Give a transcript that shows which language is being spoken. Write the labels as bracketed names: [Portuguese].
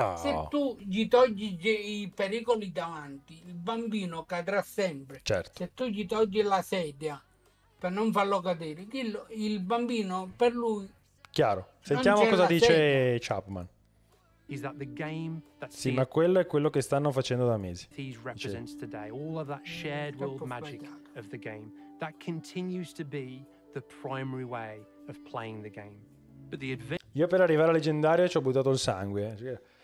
[Italian] Se tu gli togli i pericoli davanti, il bambino cadrà sempre. Certo. Se tu gli togli la sedia per non farlo cadere, il bambino per lui. Chiaro. Sentiamo cosa dice Chapman. [English] Is that the game that [Italian] sì, ma quello è quello che stanno facendo da mesi. [English] Today. All of that shared world magic of the game that continues to be the primary way of playing the game. [Italian] Io per arrivare alla leggendaria ci ho buttato il sangue.